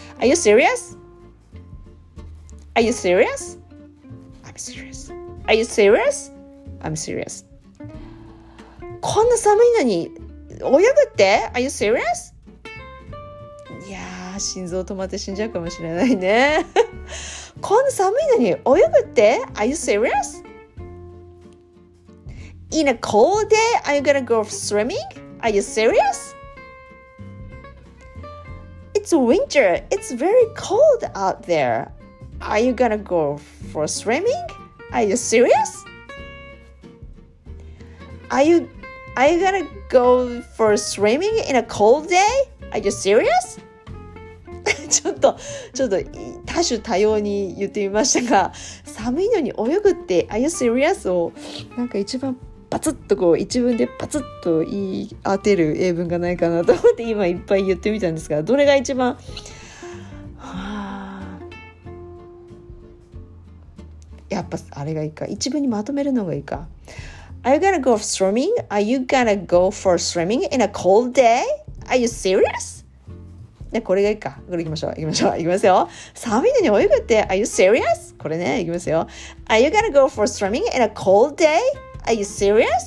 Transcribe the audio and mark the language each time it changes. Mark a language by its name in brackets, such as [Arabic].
[English] Are you serious? Are you serious? I'm serious. Are you serious? I'm serious. [Japanese] こんな寒いのに泳ぐって？ [English] Are you serious? [Japanese] いやー、心臓止まって死んじゃうかもしれないね。こんな寒いのに泳ぐって？ [English] Are you serious? In a cold day, are you gonna go swimming? Are you serious? It's winter. It's very cold out there. Are you gonna go for swimming? Are you serious? Are you gonna go for swimming in a cold day? Are you serious? [Japanese] ちょっと多種多様に言ってみましたが、寒いのに泳ぐって Are you serious? をなんか一番パツッとこう一文でパツッと言い当てる英文がないかなと思って今いっぱい言ってみたんですが、どれが一番、はあ、やっぱあれがいいか、一文にまとめるのがいいか。 [English] Are you gonna go for swimming? Are you gonna go for swimming in a cold day? Are you serious? [Japanese] で、これがいいか。これ行きましょう。行きますよ。寒いのに泳ぐって、 [English] Are you serious? [Japanese] これね、行きますよ。 [English] Are you gonna go for swimming in a cold day? Are you serious?